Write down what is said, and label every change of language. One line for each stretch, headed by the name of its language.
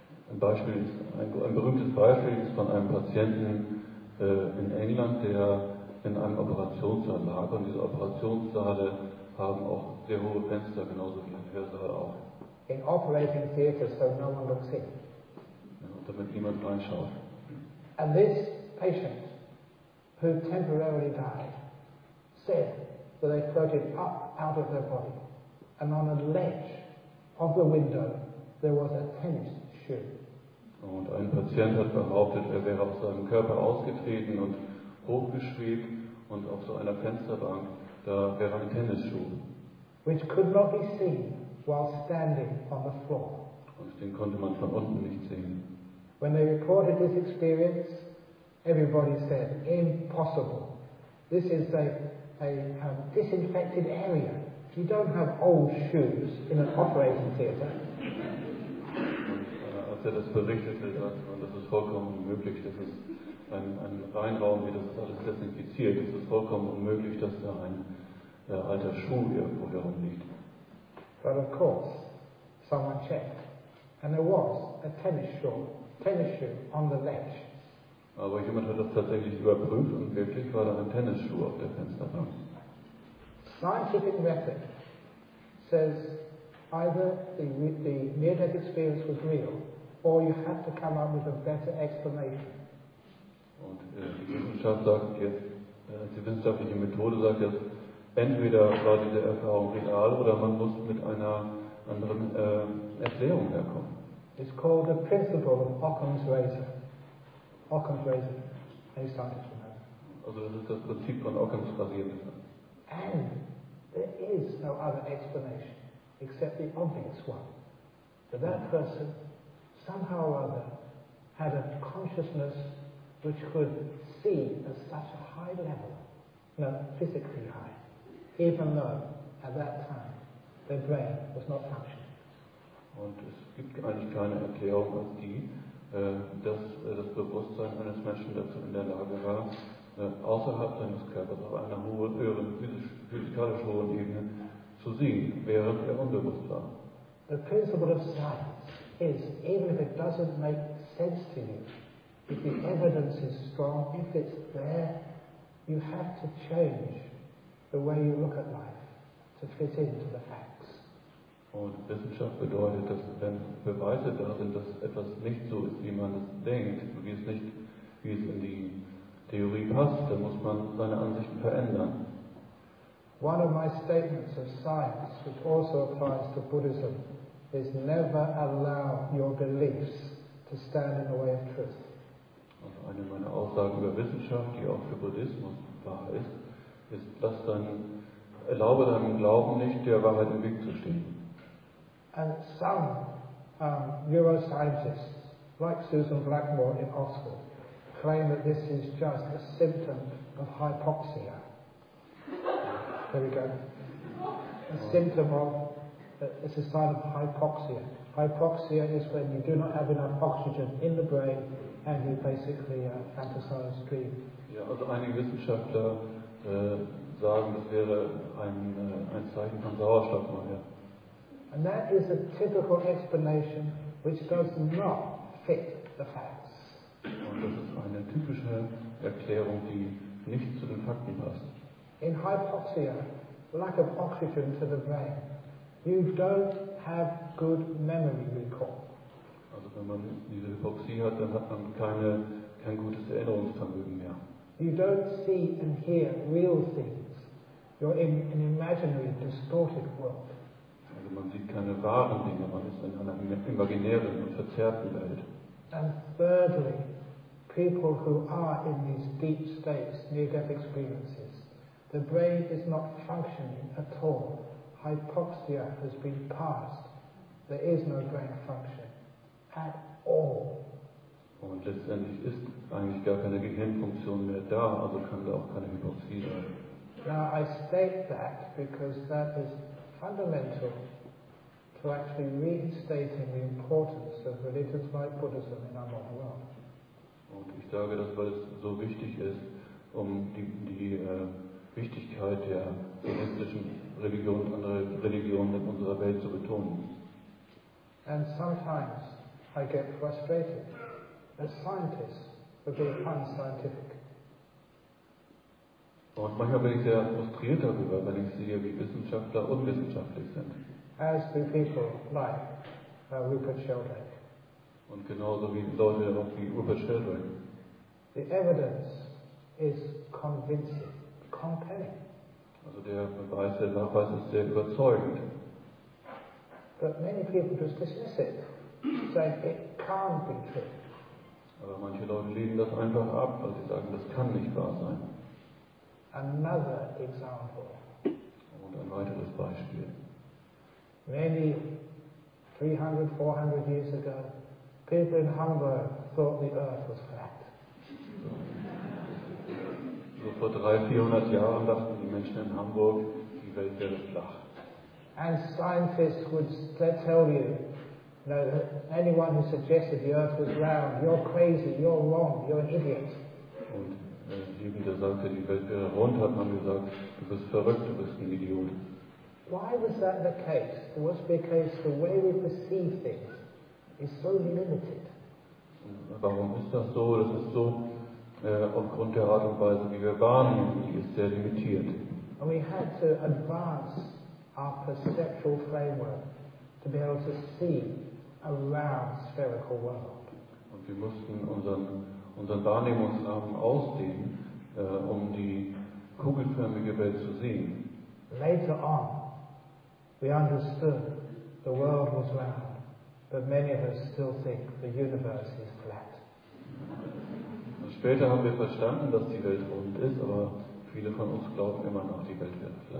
German: Ein berühmtes Beispiel ist von einem Patienten in England, der in einem Operationssaal lag, und diese Operationssaale haben auch sehr hohe Fenster, genauso wie ein Hörsaal auch.
English: In operating theatres, so no one looks in.
German: Ja, damit niemand reinschaut.
English: And this patient, who temporarily died, said that they floated up out of their body, and on a ledge of the window there was a tennis shoe.
German: Und ein Patient hat behauptet, er wäre aus seinem Körper ausgetreten und hochgeschwebt, und auf so einer Fensterbank, da wäre ein Tennisschuh.
English: Which could not be seen while standing on the floor.
German: Und den konnte man von unten nicht sehen.
English: When they reported this experience, everybody said, impossible. This is a disinfected area. You don't have old shoes in an operating theater.
German: Als er das berichtete, das ist vollkommen unmöglich, das ist ein Reinraum, wie das ist alles desinfiziert. Es ist vollkommen unmöglich, dass da ein alter Schuh irgendwo herumliegt.
English: But of course, someone checked. And there was a tennis shoe on the ledge.
German: Aber jemand hat das tatsächlich überprüft und wirklich war da ein Tennisschuh auf der Fensterbank.
English: Scientific method says either the near-death experience was real or you have to come up with a better explanation.
German: Und die Wissenschaft sagt jetzt, die wissenschaftliche Methode sagt jetzt, entweder war diese Erfahrung real oder man muss mit einer anderen Erklärung herkommen.
English: It's called the principle of Occam's razor. Occam's razor, any scientist will know.
German: Also das ist das Prinzip von Occam's Rasierer.
English: And there is no other explanation except the obvious one. But that person somehow or other had a consciousness which could see at such a high level, no, physically high, even though at that time their brain was not functioning.
German: Und es gibt eigentlich keine Erklärung als die, dass das Bewusstsein eines Menschen dazu in der Lage war, außerhalb seines Körpers auf einer höheren physikalisch hohen Ebene zu sehen, während er unbewusst war.
English: The principle of science is, even if it doesn't make sense to you. If the evidence is strong, if it's there, you have to change the way you look at life to fit into the facts.
German: Und Wissenschaft bedeutet, dass wenn Beweise da sind, dass etwas nicht so ist, wie man es denkt, wie es nicht, wie es in die Theorie passt, dann muss man seine Ansichten verändern.
English: One of my statements of science, which also applies to Buddhism, is never allow your beliefs to stand in the way of truth.
German: Und eine meiner Aussagen über Wissenschaft, die auch für Buddhismus wahr ist, ist, dass dann erlaube deinem Glauben nicht, der Wahrheit im Weg zu stehen.
English: And some neuroscientists, like Susan Blackmore in Oxford, claim that this is just a symptom of hypoxia. There we go. A symptom of, it's a sign of hypoxia. Hypoxia is when you do not have enough oxygen in the brain and you basically fantasize dream.
German: Ja, also einige Wissenschaftler sagen, das wäre ein Zeichen von Sauerstoffmangel. Ja.
English: And that is a typical explanation which does not fit the facts.
German: Und das ist eine typische Erklärung, die nicht zu den Fakten passt.
English: In hypoxia, lack of oxygen to the brain, you don't have good memory recall.
German: Also wenn man diese Hypoxie hat, dann hat man kein gutes Erinnerungsvermögen mehr.
English: You don't see and hear real things. You're in an imaginary, distorted world.
German: Also man sieht keine wahren Dinge, man ist in einer imaginären und verzerrten Welt.
English: And thirdly, people who are in these deep states, near-death experiences, the brain is not functioning at all. Hypoxia has been passed. There is no brain function at all.
German: Und letztendlich ist eigentlich gar keine Gehirnfunktion mehr da, also kann da auch keine Hypoxie sein.
English: Now I state that because that is fundamental to actually reinstating the importance of religions like Buddhism in our modern world.
German: Und ich sage das, weil es so wichtig ist, um Wichtigkeit der buddhistischen Religion und anderer Religionen in unserer Welt zu betonen.
English: And sometimes I get frustrated as scientists for being unscientific.
German: Und manchmal bin ich sehr frustriert darüber, wenn ich sehe, wie Wissenschaftler unwissenschaftlich sind.
English: As do people like Rupert Sheldrake.
German: Und genauso wie Leute auch wie Rupert Sheldrake.
English: The evidence is convincing. Compelling.
German: Also der Nachweis ist sehr überzeugend.
English: But many people just dismiss it, saying it can't be true.
German: Aber manche Leute lehnen das einfach ab, weil sie sagen, das kann nicht wahr sein.
English: Another example.
German: Und ein weiteres Beispiel.
English: Many 300, 400 years ago, people in Hamburg thought the earth was flat.
German: So vor 300-400 Jahren dachten die Menschen in Hamburg, die Welt wäre flach.
English: And scientists would tell you, anyone who suggested the earth was round, you're crazy, you're wrong, you're an idiot.
German: Und jemand, der sagte, die Welt wäre rund, hat man gesagt, du bist verrückt, du bist ein Idiot.
English: Why was that the case? It was because the way we perceive things is so limited.
German: Warum ist das so? Das ist so aufgrund der Art und Weise, wie wir wahrnehmen, die ist sehr limitiert.
English: And we had to advance our perceptual framework to be able to see a round spherical world.
German: Und wir mussten unseren Wahrnehmungsrahmen ausdehnen, um die kugelförmige Welt zu sehen.
English: Later on, we understood the world was round, but many of us still think the universe is flat.
German: Später haben wir verstanden, dass die Welt rund ist, aber viele von uns glauben immer noch, die Welt wäre flach.